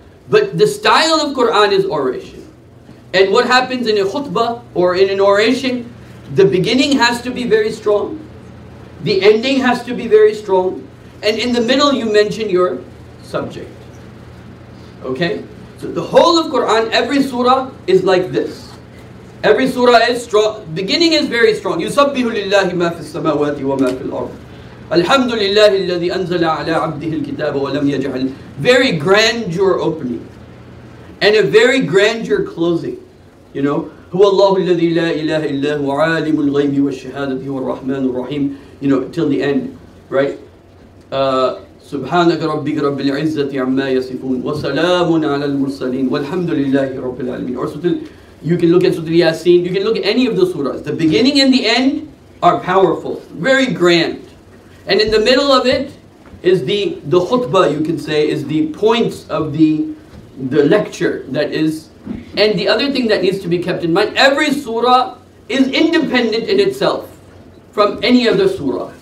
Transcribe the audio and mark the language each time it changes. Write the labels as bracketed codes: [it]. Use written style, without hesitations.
[en] But the style of Quran is oration. And what happens in a khutbah or in an oration, the beginning has to be very strong. The ending has to be very strong. And in the middle, you mention your subject. Okay? So the whole of Quran, every surah is like this. Every surah is strong. Beginning is very strong. [ar] يُسَبِّهُ لِلَّهِ مَا فِي السَّمَاوَاتِ وَمَا فِي الْأَرْضِ الحمد لله الذي أنزل على عبده الكتاب ولم يجعل. [en] Very grandeur opening and a very grandeur closing. You know, [ar] هو الله الذي لا إله إلا هو عالم الغيب والشهادة هو الرحمن الرحيم. [en] You know, till the end, right? [ar] سبحانك ربك رب العزة عما يصفون وسلام على المرسلين والحمد لله رب العالمين. [en] Or you can look at Surah Yasin. You can look at any of the surahs. The beginning and the end are powerful, very grand. And in the middle of it is the khutbah, you can say, is the points of the lecture that is. And the other thing that needs to be kept in mind, every surah is independent in itself from any other surah.